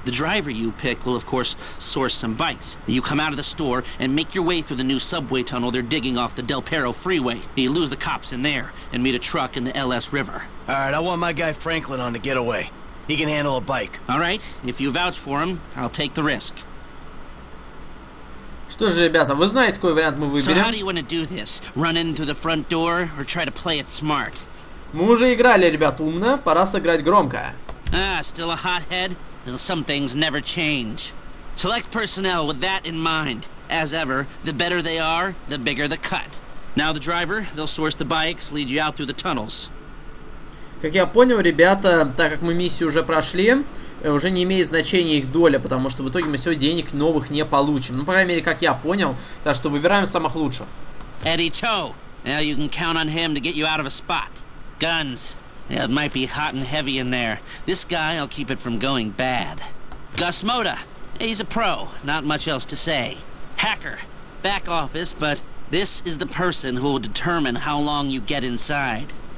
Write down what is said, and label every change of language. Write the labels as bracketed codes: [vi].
[en] The driver you pick will, of course, source some bikes. You come out of the store and make your way through the new subway tunnel they're digging off the Del Perro freeway. You lose the cops in there and meet a truck in the LS River. All right, I want my guy Franklin on the getaway. He can handle a bike. All right, if you vouch for him, I'll take the risk. [ru] Что же, ребята, вы знаете, какой вариант мы выберем? [en] So how do you want to do this? Run into the front door or try to play it smart? [ru] Мы уже играли, ребят, умно. Пора сыграть громко. [en] Ah, still a hothead? Well, some things never change. Select personnel with that in mind. As ever, the better they are, the bigger the cut. Now the driver, they'll source the bikes, lead you out through the tunnels. [ru] Как я понял, ребята, так как мы миссию уже прошли, уже не имеет значения их доля, потому что в итоге мы сегодня денег новых не получим. Ну, по крайней мере, как я понял, так что выбираем самых лучших. Эдди Чо. [en] Now you can count on him to get you out of a spot. Guns. Yeah, it might be hot and heavy in there. This guy, I'll keep it from going bad. Gus Moda. He's a pro. Not much else to say. Hacker. Back office, but this is the person who will determine how long you get inside.